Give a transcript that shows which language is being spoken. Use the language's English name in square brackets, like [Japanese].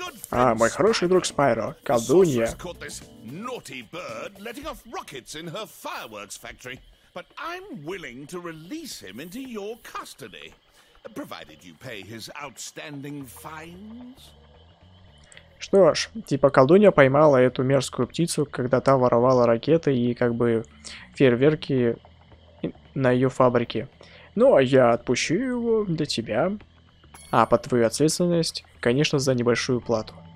[Russian] А, мой хороший друг Спайро, колдунья. [English] Naughty bird letting off rockets in her fireworks factory, but I'm willing to release him into your custody, provided you pay his outstanding fines. [Russian] Что ж, типа колдунья поймала эту мерзкую птицу, когда та воровала ракеты и как бы фейерверки на ее фабрике. Ну а я отпущу его для тебя, а под твою ответственность, конечно, за небольшую плату.